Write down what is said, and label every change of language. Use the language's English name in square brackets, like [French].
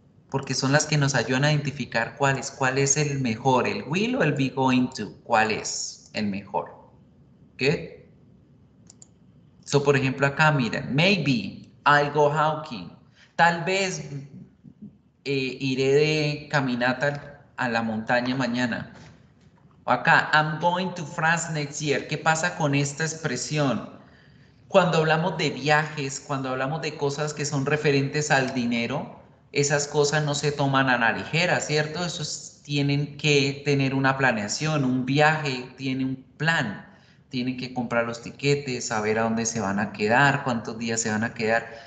[Spanish] Porque son las que nos ayudan a identificar cuál es el mejor, el will o el be going to, cuál es el mejor. ¿Qué? [English] So, [Spanish] por ejemplo, acá miren, [English] maybe I'll go hiking. [Spanish] Tal vez iré de caminata a la montaña mañana. O acá, [English] I'm going to France next year. [Spanish] ¿Qué pasa con esta expresión? Cuando hablamos de viajes, cuando hablamos de cosas que son referentes al dinero, esas cosas no se toman a la ligera, ¿cierto? Esos tienen que tener una planeación, un viaje tiene un plan. Tienen que comprar los tiquetes, saber a dónde se van a quedar, cuántos días se van a quedar.